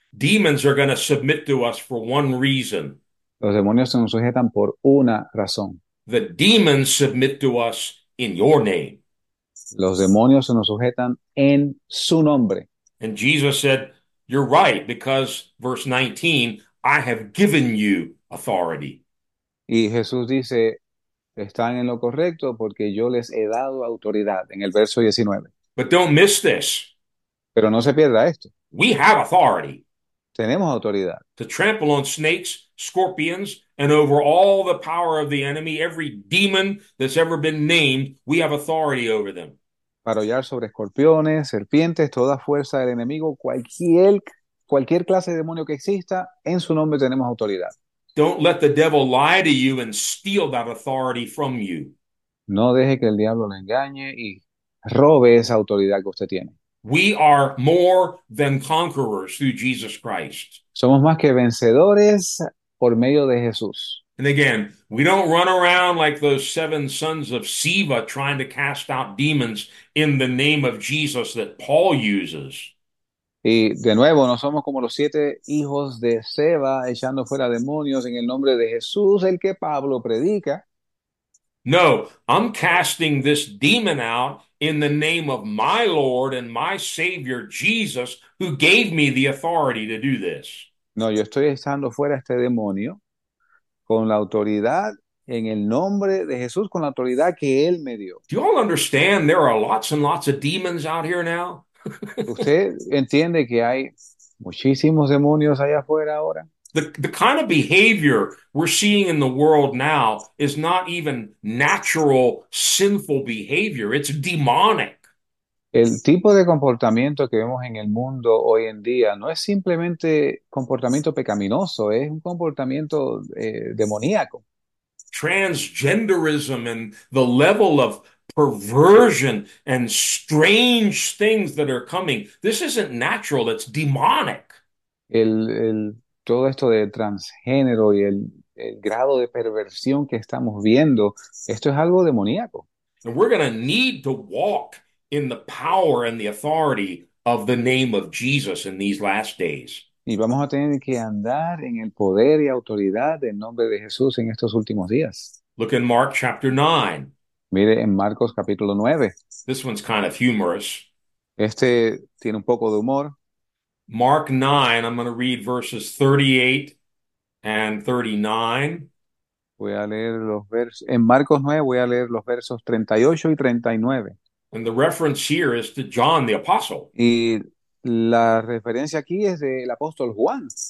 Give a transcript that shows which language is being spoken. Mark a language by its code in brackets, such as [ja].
[en] Demons are going to submit to us for one reason. [es] Los demonios se nos sujetan por una razón. [en] The demons submit to us in your name. [es] Los demonios se nos sujetan en su nombre. [en] And Jesus said, you're right, because verse 19, I have given you authority. [es] Y Jesús dice, están en lo correcto porque yo les he dado autoridad en el verso 19. [en] But don't miss this. [es] Pero no se pierda esto. [en] We have authority [es] Tenemos autoridad. [en] to trample on snakes, scorpions, and over all the power of the enemy, every demon that's ever been named, we have authority over them. [es] Para hollar sobre escorpiones, serpientes, toda fuerza del enemigo, cualquier clase de demonio que exista, en su nombre tenemos autoridad. [en] Don't let the devil lie to you and steal that authority from you. [es] No deje que el diablo le engañe y robe esa autoridad que usted tiene. [en] We are more than conquerors through Jesus Christ. [es] Somos más que vencedores por medio de Jesús. [en] And again, we don't run around like those seven sons of Sceva trying to cast out demons in the name of Jesus that Paul uses. [es] Y de nuevo, no somos como los siete hijos de Seba echando fuera demonios en el nombre de Jesús, el que Pablo predica. [en] No, I'm casting this demon out in the name of my Lord and my Savior Jesus, who gave me the authority to do this. [es] No, yo estoy echando fuera a este demonio con la autoridad en el nombre de Jesús, con la autoridad que él me dio. [en] Do you all understand there are lots and lots of demons out here now? [es] ¿Usted entiende que hay muchísimos demonios allá afuera ahora? [en] The kind of behavior we're seeing in the world now is not even natural, sinful behavior. It's demonic. [es] El tipo de comportamiento que vemos en el mundo hoy en día no es simplemente comportamiento pecaminoso, es un comportamiento demoníaco. [en] Transgenderism and the level of perversion and strange things that are coming. This isn't natural, it's demonic. [es] Todo esto de transgénero y el grado de perversión que estamos viendo, esto es algo demoníaco. [en] And we're going to need to walk in the power and the authority of the name of Jesus in these last days. [es] Y vamos a tener que andar en el poder y autoridad del nombre de Jesús en estos últimos días. [en] Look in Mark chapter 9. [es] Mire en Marcos capítulo 9. [en] This one's kind of humorous. [es] Este tiene un poco de humor. [en] Mark 9, I'm going to read verses 38 and 39. [es] Voy a leer los versos. En Marcos 9 voy a leer los versos 38 y 39. [en] And the reference here is to John the Apostle. [es] Y la referencia aquí es del apóstol Juan.